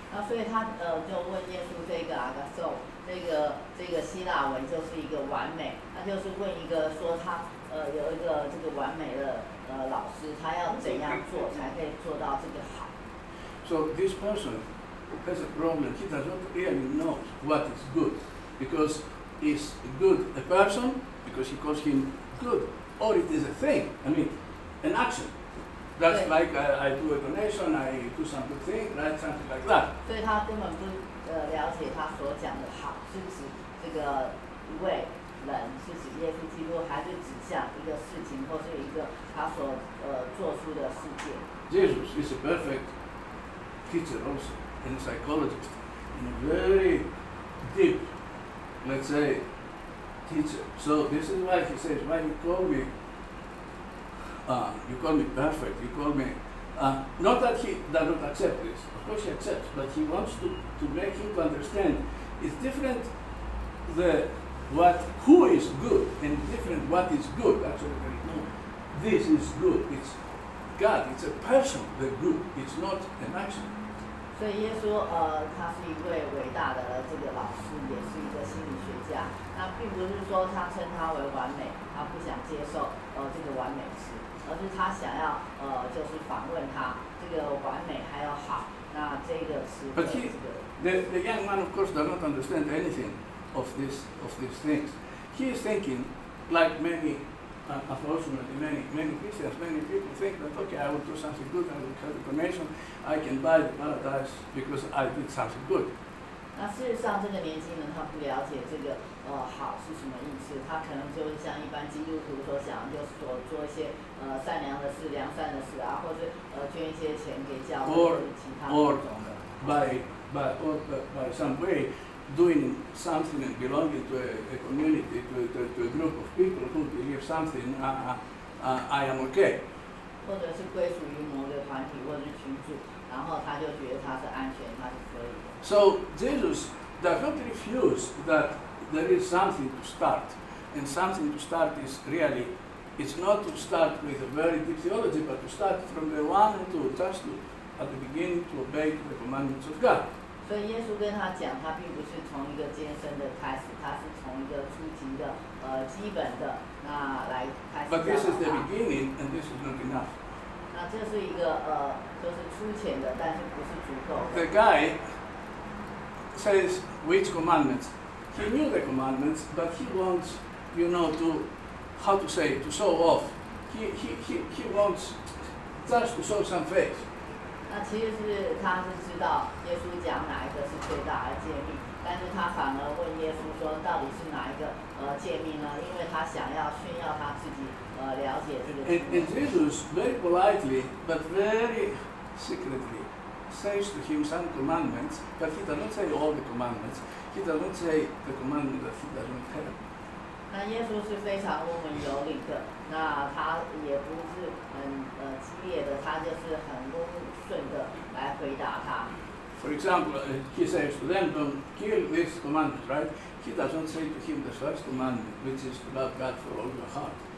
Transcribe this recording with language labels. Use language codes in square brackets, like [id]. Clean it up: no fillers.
[zh] 所以他就问耶稣这个阿格索，这个希腊文就是一个完美，他就是问一个说他有一个这个完美的老师，他要怎样做才可以做到这个好。 [en] So this person has a problem. He doesn't really know what is good, because is good a person because he calls him good, or it is a thing. I mean, an action. That's right. Like I do a donation, I do some good thing, right? Something like that. [zh] 所以他根本不了解他所讲的好是指这个一位人是指耶稣基督，还是指向一个事情或是一个他所做出的事件。 [en] Jesus is a perfect teacher also and a psychologist in a very deep, let's say, teacher. So this is why he says, why you call me, you call me perfect, you call me, not that he does not accept this, of course he accepts, but he wants to make him understand it's different the what who is good and different what is good. Actually, this is good, it's God, it's a person, the good, it's not an action. [zh] 所以耶稣，他是一位伟大的这个老师，也是一个心理学家。那并不是说他称他为完美，他不想接受这个完美词，而是他想要就是访问他这个完美还有好，那这个词。 [en] But he, the young man of course does not understand anything of this things. He is thinking like many, unfortunately, many Christians, many people think that, okay, I will do something good, I will have the permission, I can buy the paradise because I did something good. [zh] 那事实上，这个年轻人他不了解这个好是什么意思，他可能就是像一般基督徒所想，就是说做一些善良的事、良善的事啊，或是捐一些钱给教会或其他的。 [en] Or by some way doing something and belonging to a community, to a group of people who believe something, I am okay. [zh] 或者是归属于某个团体或者群组，然后他就觉得他是安全，他是可以的。 [en] So Jesus does not refuse that there is something to start, and something to start is really, it's not to start with a very deep theology, but to start from the one and two, just to, at the beginning to obey the commandments of God. [zh] 所以耶稣跟他讲，他并不是从一个艰深的开始，他是从一个初级的基本的那来开始。 [en] But this is the beginning, and this is not enough. [zh] 那这是一个就是粗浅的，但是不是足够的。 [en] The guy says which commandments? He knew the commandments, but he wants, you know, to how to say, to show off. He wants just to show some faith. [zh] 那其实是他是知道耶稣讲哪一个是最大的诫命，但是他反而问耶稣说到底是哪一个诫命呢？因为他想要炫耀他自己了解这个。 [en] And Jesus very politely but very secretly says to him some commandments, but he does not say all the commandments. He does not say the commandment that he does not have. [zh] 那耶稣是非常温文有礼的，那他也不是很激烈的，他就是很温顺的来回答他。 [en] For example, he says to them, don't kill this commandment, right? He does not say to him the first commandment, which is to love God for all your heart.